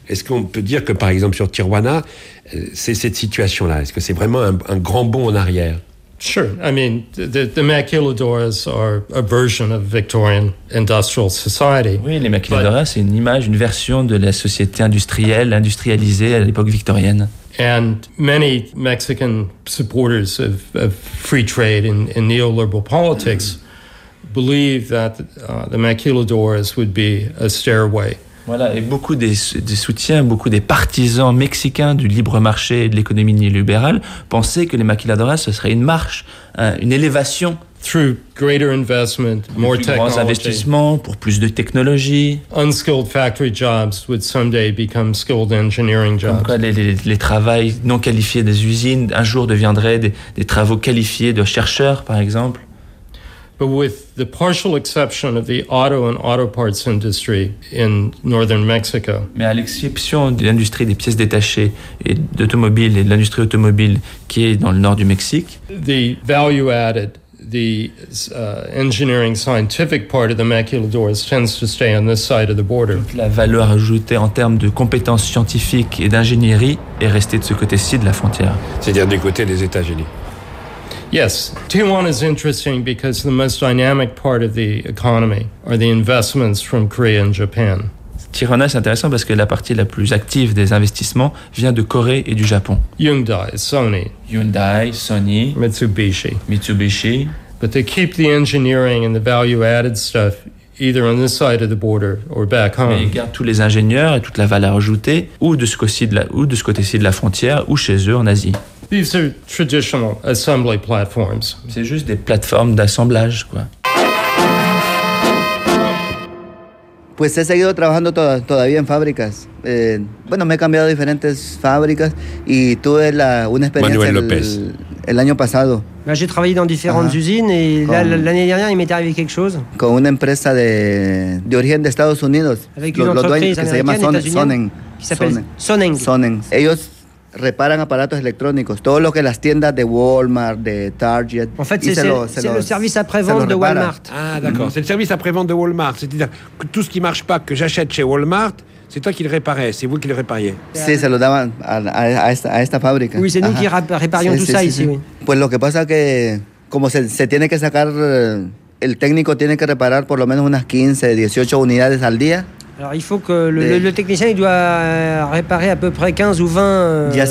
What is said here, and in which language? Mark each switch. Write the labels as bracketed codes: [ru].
[fr] Est-ce qu'on peut dire que, par exemple, sur Tijuana, c'est cette situation-là? Est-ce que c'est vraiment un grand bond en arrière? [en] Sure. I mean, the maquiladoras are a version of Victorian industrial society. [fr] Oui, les maquiladoras, c'est une image, une version de la société industrielle, industrialisée à l'époque victorienne. [en] And many Mexican supporters of free trade in neoliberal politics believe that the maquiladoras would be a stairway. [fr] Voilà, et beaucoup des soutiens, beaucoup des partisans mexicains du libre marché et de l'économie néolibérale pensaient que les maquiladoras ce serait une marche, une élévation. [en] Through greater investment, more technology. [fr] Plus grands investissements pour plus de technologie. [en] Unskilled factory jobs would someday become skilled engineering jobs. [fr] Comme quoi les travaux non qualifiés des usines un jour deviendraient des travaux qualifiés de chercheurs, par exemple. [en] But with the partial exception of the auto and auto parts industry in northern Mexico. [fr] Mais à l'exception de l'industrie des pièces détachées et d'automobile et de l'industrie automobile qui est dans le nord du Mexique. [en] The value added. The engineering scientific part of the maquiladoras tends to stay on this side of the border. [fr] La valeur ajoutée en termes de compétences scientifiques et d'ingénierie est restée de ce côté-ci de la frontière. C'est-à-dire du côté des États-Unis. [en] Yes, Tijuana is interesting because the most dynamic part of the economy are the investments from Korea and Japan. [fr] Tijuana est intéressant parce que la partie la plus active des investissements vient de Corée et du Japon. [en] Hyundai, Sony, Mitsubishi. But they keep the engineering and the value-added stuff either on this side of the border or back home. [fr] Mais ils gardent tous les ingénieurs et toute la valeur ajoutée ou de ce côté-ci de la frontière ou chez eux en Asie. [en] These are traditional assembly platforms. [fr] C'est juste des plateformes d'assemblage, quoi. [es] Pues he seguido trabajando todavía en fábricas. Bueno, me he cambiado a diferentes fábricas y tuve una experiencia el año pasado. [fr] Ben, j'ai travaillé dans différentes usines et l'année dernière, il m'est arrivé quelque chose. [es] Con una empresa de origen de Estados Unidos. Los dueños, que se llama Sonnen. Ellos reparan aparatos electrónicos. Todo lo que las tiendas de Walmart, de Target. [fr] En fait, c'est le service après-vente de Walmart. Ah, d'accord. Mm-hmm. C'est le service après-vente de Walmart. C'est-à-dire que tout ce qui ne marche pas que j'achète chez Walmart, c'est toi qui le réparais. C'est vous qui le répariez. [es] Sí, se lo daban a esta fábrica. [fr] Oui, c'est nous qui réparions tout ça ici. Oui. [es] Pues lo que pasa que, como se tiene que sacar, el técnico tiene que reparar por lo menos unas 15, 18 unidades al día. [fr] Alors il faut que le technicien il doit réparer à peu près 15 ou 20